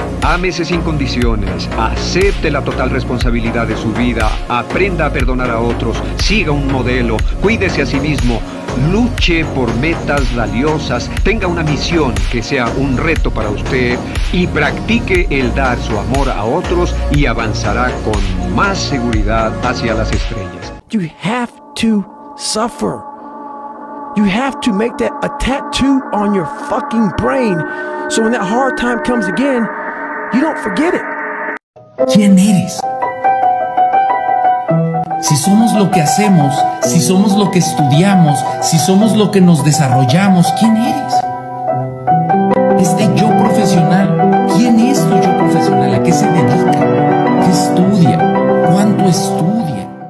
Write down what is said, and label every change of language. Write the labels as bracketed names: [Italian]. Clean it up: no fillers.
[Spanish] Ámese sin condiciones, acepte la total responsabilidad de su vida, aprenda a perdonar a otros, siga un modelo, cuídese a sí mismo. Luche por metas valiosas, tenga una misión que sea un reto para usted y practique el dar su amor a otros y avanzará con más seguridad hacia las estrellas. [English] You have to suffer. You have to make that a tattoo on your fucking brain so when that hard time comes again, you don't forget it. [Spanish] ¿Quién eres? Si somos lo que hacemos, si somos lo que estudiamos, si somos lo que nos desarrollamos, ¿quién eres? Este yo profesional, ¿quién es tu yo profesional? ¿A qué se dedica? ¿Qué estudia? ¿Cuánto estudia?